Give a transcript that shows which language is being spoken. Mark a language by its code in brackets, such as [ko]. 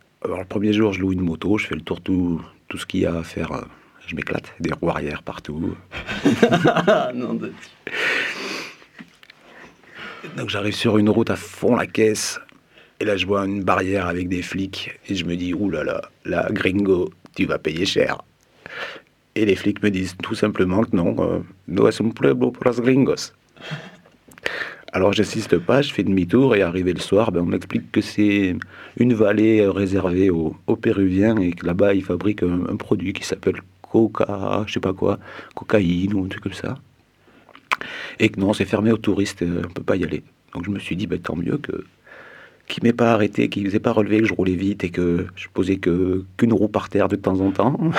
[fr] Alors, le premier jour, je loue une moto, je fais le tour tout ce qu'il y a à faire. Je m'éclate, des roues arrière partout. Non, de Dieu. Donc j'arrive sur une route à fond la caisse. Et là, je vois une barrière avec des flics. Et je me dis, oulala, là, gringo, tu vas payer cher. Et les flics me disent tout simplement que non, [es] no es un pueblo por los gringos. [fr] Alors j'insiste pas, je fais demi-tour et arrivé le soir, ben, on m'explique que c'est une vallée réservée aux Péruviens et que là-bas ils fabriquent un produit qui s'appelle coca, je sais pas quoi, cocaïne ou un truc comme ça. Et que non, c'est fermé aux touristes, on peut pas y aller. Donc je me suis dit, ben, tant mieux qu'ils m'aient pas arrêté, qu'ils m'aient pas relevé, que je roulais vite et que je posais qu'une roue par terre de temps en temps.